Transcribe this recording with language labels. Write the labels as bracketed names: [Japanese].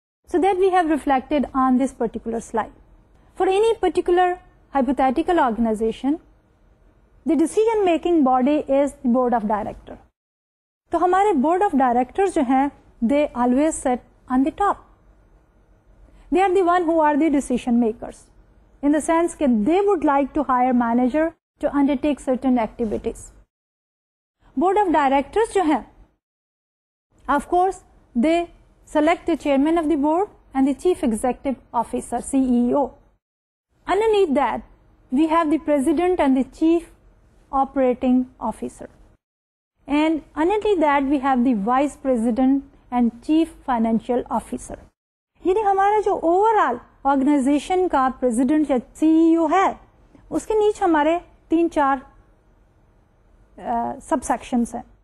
[English] So that we have reflected on this particular slide. For any particular hypothetical organisation, the decision making body is the board of director. [Urdu] تو ہمارے board of director جو ہیں, [English] they always sit on the top. They are the one who are the decision makers, in the sense that they would like to hire manager to undertake certain activities. Board of directors [Urdu] jo hai, [English] of course they select the chairman of the board and the chief executive officer, CEO. Underneath that we have the president and the chief operating officer, and underneath that we have the vice president and chief financial officer. [Urdu] یعنی ہمارا جو over all organization کا president یا سی ای او ہے, اس کے نیچے ہمارے تین چار سب سیکشنز ہیں.